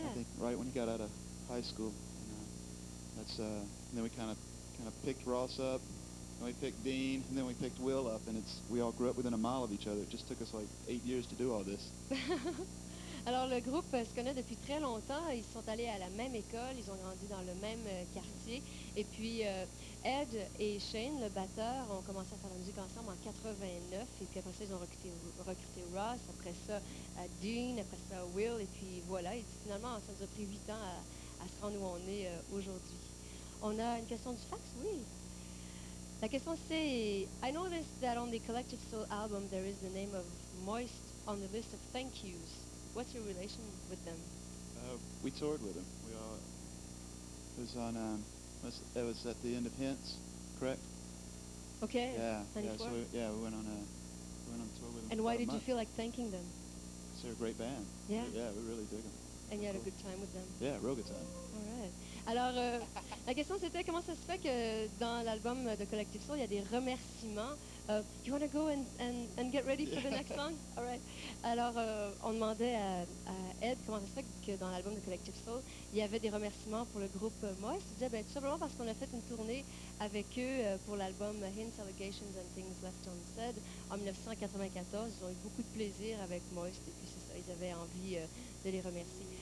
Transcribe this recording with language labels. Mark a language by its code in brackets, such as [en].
[en] I think right when he got out of high school. And then we kind of picked Ross up. And we picked Dean, and then we picked Will up, and we all grew up within a mile of each other. It just took us like 8 years to do all this. [fr] Alors le groupe se connaît depuis très longtemps. Ils sont allés à la même école, ils ont grandi dans le même quartier. Et puis Ed et Shane, le batteur, ont commencé à faire la musique ensemble en 89. Et puis après ça, ils ont recruté Ross. Après ça, Dean. Après ça, Will. Et puis voilà. Et finalement, ça nous a pris 8 ans à se rendre où on est aujourd'hui. On a une question du fax, oui. La question c'est, [en] I noticed that on the Collective Soul album, there is the name of Moist on the list of thank yous. What's your relation with them? We toured with them. It was at the end of Hints, correct? Okay. Yeah. 94? Yeah. We went on a tour with them. And why did month. You feel like thanking them? Cause they're a great band. Yeah. Yeah, we really dig them. And they're you had cool. a good time with them. Yeah, real good time. All right. [fr] Alors, la question c'était comment ça se fait que dans l'album de Collective Soul il y a des remerciements. [en] You want to go and get ready for yeah. the next song? All right. [fr] Alors, on demandait à Ed comment ça se fait que dans l'album de Collective Soul, il y avait des remerciements pour le groupe Moist. Il disait, ben, tout simplement parce qu'on a fait une tournée avec eux pour l'album Hints, Allegations and Things Left Unsaid en 1994. Ils ont eu beaucoup de plaisir avec Moist et puis c'est ça, ils avaient envie de les remercier.